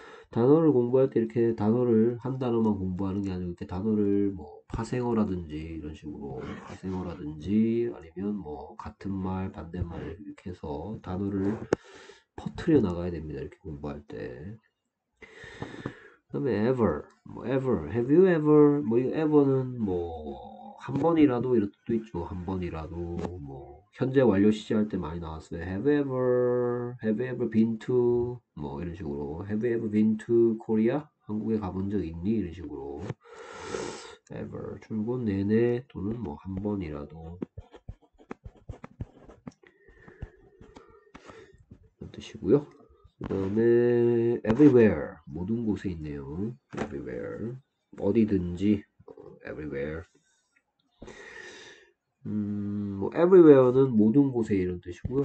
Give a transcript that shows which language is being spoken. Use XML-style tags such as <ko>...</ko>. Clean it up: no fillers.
<ko>단어를 공부할 때 이렇게 단어를 한 단어만 공부하는 게 아니고 이렇게 단어를 뭐 파생어라든지 이런 식으로 파생어라든지 아니면 뭐 같은 말 반대말 이렇게 해서 단어를 퍼트려 나가야 됩니다. 이렇게 공부할 때. 그다음에 ever 뭐 ever</ko> <en>have you ever</en> <ko>뭐 ever는 뭐한 번이라도 이런 것도 있죠. 한 번이라도 뭐 현재 완료 시제 할때 많이 나왔어요.</ko> <en>Have you ever been to</en> <ko>뭐 이런 식으로</ko> <en>Have you ever been to Korea?</en> <ko>한국에 가본 적 있니? 이런 식으로 ever 출근 내내 또는 뭐한 번이라도 뜻이고요. 그다음에 everywhere 모든 곳에 있네요. everywhere 어디든지 everywhere 뭐 everywhere는 모든 곳에 이런 뜻이고요.</ko>